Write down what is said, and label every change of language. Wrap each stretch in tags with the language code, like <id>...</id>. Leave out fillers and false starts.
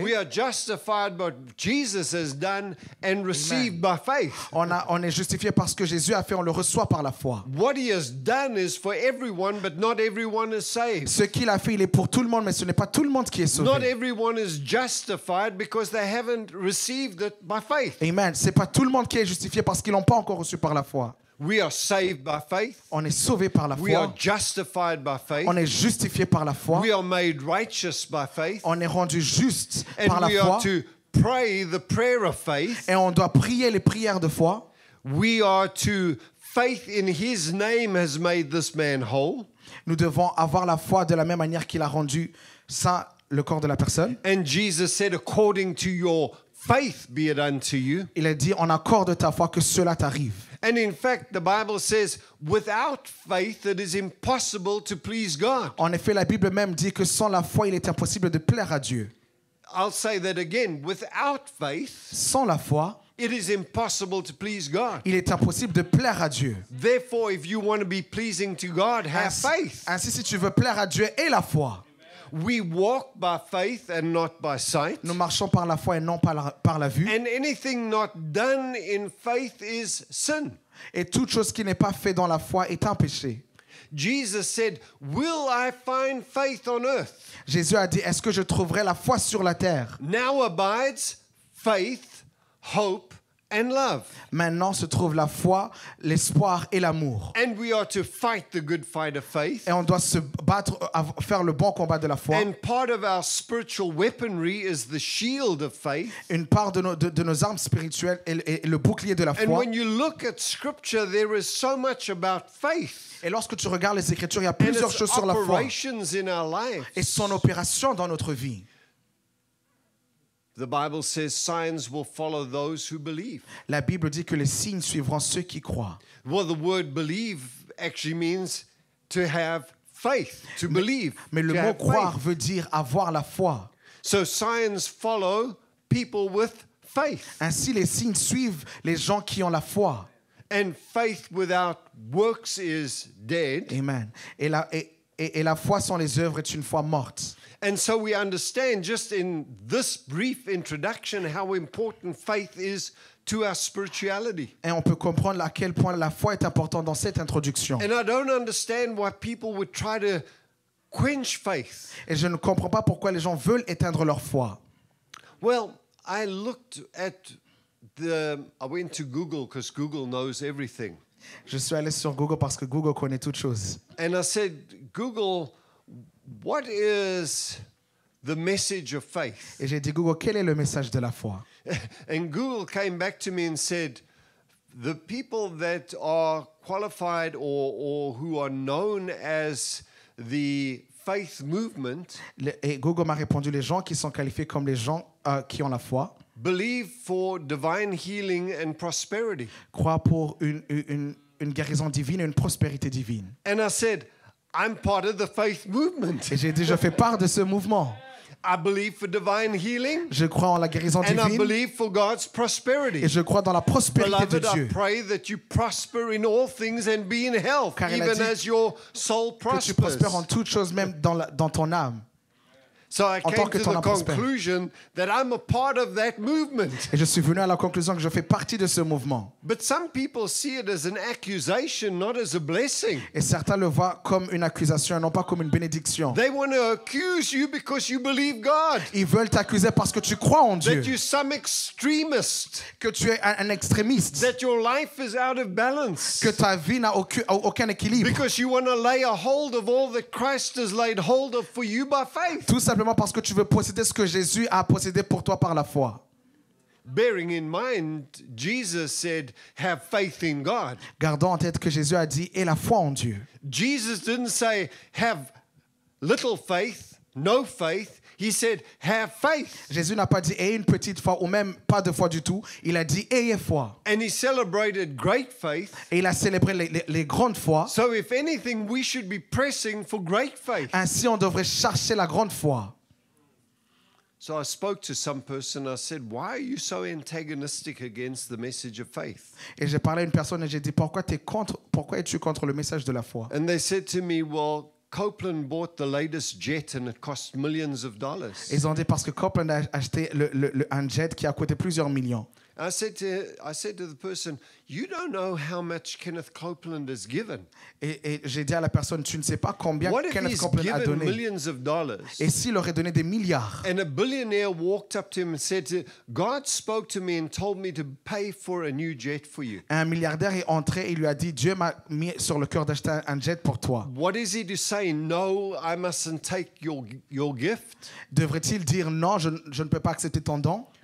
<en>We are justified by what Jesus has done and received by faith.</en> <fr>On est justifié par ce que Jésus a fait, on le reçoit par la foi.</fr> <en>What he has done is for everyone, but not everyone is saved.</en> <fr>Ce qu'il a fait, il est pour tout le monde, mais ce n'est pas tout le monde qui est sauvé.</fr> <en>Not everyone is justified because they haven't received it by faith. Amen.</en> <fr>C'est pas tout le monde qui est justifié parce qu'ils l'ont pas encore reçu par la foi.</fr> <en>We are saved by faith.</en> <fr>On est sauvé par la foi.</fr> <en>We are justified by faith.</en> <fr>On est justifié par la foi.</fr> <en>We are made righteous by faith.</en> <fr>On est rendu juste</fr> <en>and</en> <fr>par la foi.</fr> <en>And we are to pray the prayer of faith.</en> <fr>Et on doit prier les prières de foi.</fr> <en>We are to faith in His name has made this man whole.</en> <fr>Nous devons avoir la foi de la même manière qu'il a rendu saint le corps de la personne.</fr> <en>And Jesus said, according to your faith be it unto you.</en> <fr>Il a dit en accord de ta foi que cela t'arrive.</fr> <en>And in fact, the Bible says, without faith, it is impossible to please God.</en> <fr>En effet, la Bible même dit que sans la foi, il est impossible de plaire à Dieu.</fr> <en>I'll say that again. Without faith,</en> <fr>sans la foi,</fr> <en>it is impossible to please God.</en> <fr>Il est impossible de plaire à Dieu.</fr> <en>Therefore, if you want to be pleasing to God, have faith.</en> <fr>Ainsi, si tu veux plaire à Dieu, aie la foi.</fr> <en>We walk by faith and not by sight.</en> <fr>Nous marchons par la foi et non par la vue.</fr> <en>And anything not done in faith is sin.</en> <fr>Et toute chose qui n'est pas faite dans la foi est un péché.</fr> <en>Jesus said, "Will I find faith on earth?"</en> <fr>Jésus a dit, est-ce que je trouverai la foi sur la terre?</fr> <en>Now abides faith, hope, and love.</en> <fr>Maintenant se trouve la foi, l'espoir et l'amour.</fr> <en>And we are to fight the good fight of faith.</en> <fr>Et on doit se battre, faire le bon combat de la foi.</fr> <en>And part of our spiritual weaponry is the shield of faith.</en> <fr>Une part de nos armes spirituelles est le bouclier de la foi.</fr> <en>And when you look at scripture, there is so much about faith.</en> <fr>Et lorsque tu regardes les écritures, il y a plusieurs choses sur la foi.</fr> <en>And its operations in our lives.</en> <fr>Et son opération dans notre vie.</fr> <en>The Bible says signs will follow those who believe.</en> <fr>La Bible dit que les signes suivront ceux qui croient.</fr> <en>Well, the word believe actually means to have faith, to believe.</en> <fr>Mais le mot croire veut dire avoir la foi.</fr> <en>So signs follow people with faith.</en> <fr>Ainsi, les signes suivent les gens qui ont la foi.</fr> <en>And faith without works is dead.</en> <fr>Amen. Et la foi sans les œuvres est une foi morte.</fr> <en>And so we understand just in this brief introduction how important faith is to our spirituality.</en> <fr>Et on peut comprendre à quel point la foi est importante dans cette introduction.</fr> <en>And I don't understand why people would try to quench faith.</en> <fr>Et je ne comprends pas pourquoi les gens veulent éteindre leur foi.</fr> <en>Well, I went to Google because Google knows everything.</en> <fr>Je suis allé sur Google parce que Google connaît toutes choses.</fr> <en>And I said, Google, what is the message of faith?</en> <fr>Et j'ai dit, Google, quel est le message de la foi?</fr> <en>And Google came back to me and said, the people that are qualified or who are known as the faith movement.</en> <fr>Et Google m'a répondu, les gens qui sont qualifiés comme les gens qui ont la foi.</fr> <en>Believe for divine healing and prosperity.</en> <fr>Crois pour une guérison divine et une prospérité divine.</fr> <en>And I said, I'm part of the faith movement.</en> <fr>Et j'ai déjà fait part de ce mouvement.</fr> <en>I believe for divine healing.</en> <fr>Je crois en la guérison divine.</fr> <en>And I believe for God's prosperity.</en> <fr>Et je crois dans la prospérité</fr> <en>Beloved,</en> <fr>de Dieu.</fr> <en>I pray that you prosper in all things and be in health,</en> <fr>Car</fr> <en>even as your soul prospers.</en> <fr>Que tu prospères en toutes choses, même dans ton âme.</fr> <en>So I came to the conclusion that I'm a part of that movement.</en> <fr>Et je suis venu à la conclusion que je fais partie de ce mouvement.</fr> <en>But some people see it as an accusation, not as a blessing.</en> <fr>Et certains le voient comme une accusation, non pas comme une bénédiction.</fr> <en>They want to accuse you because you believe God.</en> <fr>Ils veulent t'accuser parce que tu crois en Dieu.</fr> <en>That you're some extremist.</en> <fr>Que tu es un extrémiste.</fr> <en>That your life is out of balance.</en> <fr>Que ta vie n'a aucun équilibre.</fr> <en>Because you want to lay a hold of all that Christ has laid hold of for you by faith.</en> <fr>Simplement parce que tu veux posséder ce que Jésus a possédé pour toi par la foi.</fr> <en>Bearing in mind, Jesus said, "Have faith in God."</en> <fr>Gardons en tête que Jésus a dit, aie la foi en Dieu.</fr> <en>Jesus didn't say, "Have little faith." No faith, he said, have faith.</en> <fr>Jésus n'a pas dit ayez une petite foi ou même pas de foi du tout. Il a dit ayez foi.</fr> <en>And he celebrated great faith.</en> <fr>Et il a célébré les grandes fois.</fr> <en>So if anything, we should be pressing for great faith.</en> <fr>Ainsi, on devrait chercher la grande foi.</fr> <en>So I spoke to some person. I said, why are you so antagonistic against the message of faith?</en> <fr>Et j'ai parlé à une personne et j'ai dit pourquoi es-tu contre le message de la foi?</fr> <en>And they said to me, well, Copeland bought the latest jet and it cost millions of dollars.</en> <fr>Ils ont dit parce que Copeland a acheté un jet qui a coûté plusieurs millions.</fr> <en>I said to the person, you don't know how much Kenneth Copeland has given.</en> <fr>Et j'ai dit à la personne, tu ne sais pas combien Kenneth Copeland a donné.</fr> <en>Millions of dollars.</en> <fr>Et s'il aurait donné des milliards.</fr> <en>And a billionaire walked up to him and said, God spoke to me and told me to pay for a new jet for you.</en> <fr>Un milliardaire est entré et lui a dit, Dieu m'a mis sur le cœur d'acheter un jet pour toi.</fr> <en>What is he to say? No, I mustn't take your gift.</en> <fr>Devrait-il dire non, je ne peux pas accepter ton don?</fr>